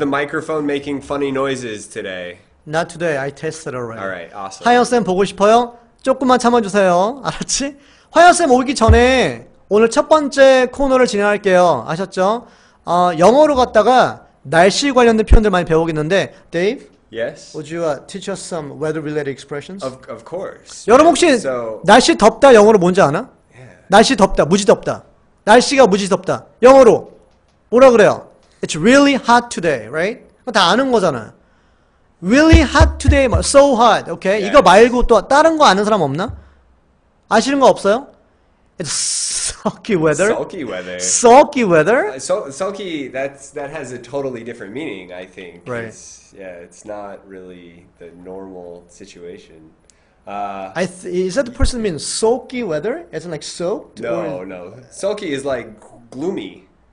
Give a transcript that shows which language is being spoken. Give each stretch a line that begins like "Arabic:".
English: the microphone making funny noises today? Not today, I tested All already. right, awesome.
Korean: 화연쌤 보고 싶어요? 조금만 참아주세요. 알았지? 화연쌤 오기 전에 오늘 첫 번째 코너를 진행할게요. 아셨죠? 영어로 갔다가 날씨 관련된 표현들 많이 배우겠는데, Dave,
English: Yes. would you teach us some weather-related expressions? Of course.
Korean: 여러분
English: Yeah. So
Korean: 날씨 덥다 영어로 뭔지 아나? 날씨 덥다, 무지 덥다. 날씨가 무지 덥다. 영어로 뭐라 그래요?
English: It's really hot today, right?
Korean: 다 아는 거잖아.
English: Really hot today, so hot, okay? 이거 Yes.
Korean: 말고 또 다른 거 아는 사람 없나? 아시는 거 없어요?
English: Sulky weather. Sulky weather. Sulky weather. Sulky. That has a totally different meaning, I think. Right. It's not really the normal situation. Is that the person mean sulky weather? As in like soaked? No. Sulky is like gloomy.